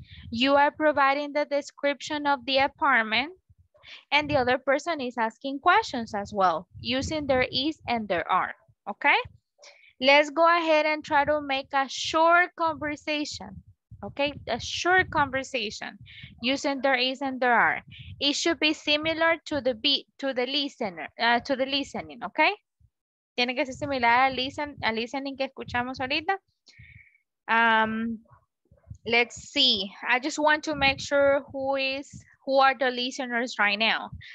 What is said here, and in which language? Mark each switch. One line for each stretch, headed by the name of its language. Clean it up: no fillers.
English: You are providing the description of the apartment and the other person is asking questions as well using their is and their are, okay? Let's go ahead and try to make a short conversation, okay? A short conversation using there is and there are. It should be similar to the listening, okay?
Spanish: Tiene que ser similar al listening que escuchamos ahorita.
English: Let's see. I just want to make sure who are the listeners right now.